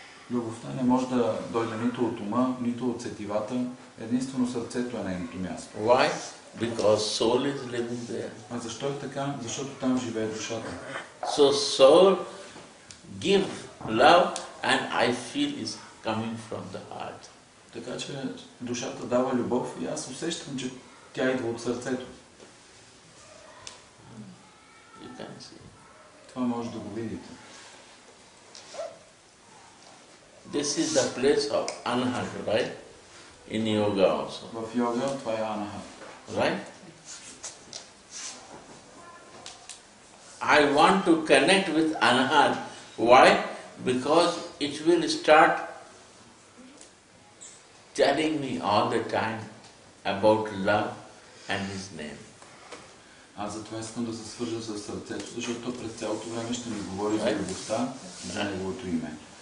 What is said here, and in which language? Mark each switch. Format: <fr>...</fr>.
<bg>Любовта не може да дойде нито от ума, нито от сетивата. Единствено сърцето е нейното място.</bg> <en>Why? Because soul is living there.</en> <bg>А защо е така? Защото там живее душата.</bg> <en>So soul give love and I feel it's coming from the heart.</en> <bg>Така че душата дава любов и аз усещам, че тя идва от сърцето. Това може да го видите.</bg> <en>This is the place of anahata, right? In yoga also.</en> <bg>В йога това е анаха.</bg> <en>Right? I want to connect with anahat. Why? Because it will start telling me all the time about love and his name.</en> <bg>Аз затова искам да се свържа със сърцето, защото през цялото време ще ми говори за любовта, за неговото име.</bg>